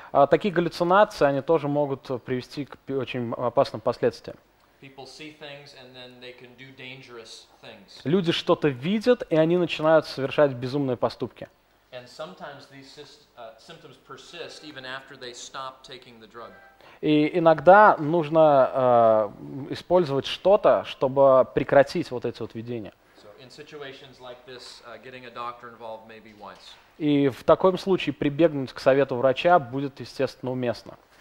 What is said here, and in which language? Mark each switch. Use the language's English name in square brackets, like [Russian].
[Russian] Такие галлюцинации, они тоже могут привести к очень опасным последствиям. [English] People see things, and then they can do dangerous things. [Russian] Люди что-то видят, и они начинают совершать безумные поступки. [English] And sometimes these symptoms persist even after they stop taking the drug. [Russian] И иногда нужно использовать что-то, чтобы прекратить вот эти вот видения. [English] So in situations like this, getting a doctor involved may be wise. [Russian] И в таком случае прибегнуть к совету врача будет, естественно, уместно.